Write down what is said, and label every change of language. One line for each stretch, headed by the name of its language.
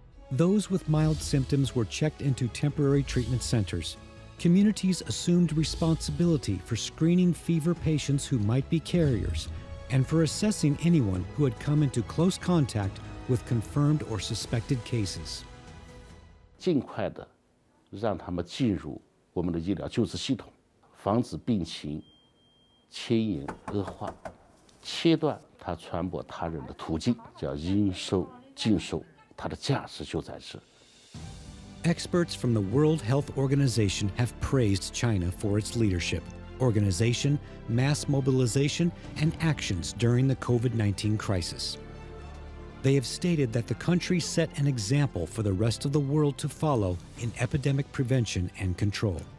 English: Those with mild symptoms were checked into temporary treatment centers. Communities assumed responsibility for screening fever patients who might be carriers and for assessing anyone who had come into close contact with confirmed or suspected cases.
Chinese: 尽快的让他们进入我们的医疗救治系统，防止病情牵引恶化，切断他传播他人的途径，叫应收尽收，他的价值就在这。
English: Experts from the World Health Organization have praised China for its leadership, organization, mass mobilization, and actions during the COVID-19 crisis. They have stated that the country set an example for the rest of the world to follow in epidemic prevention and control.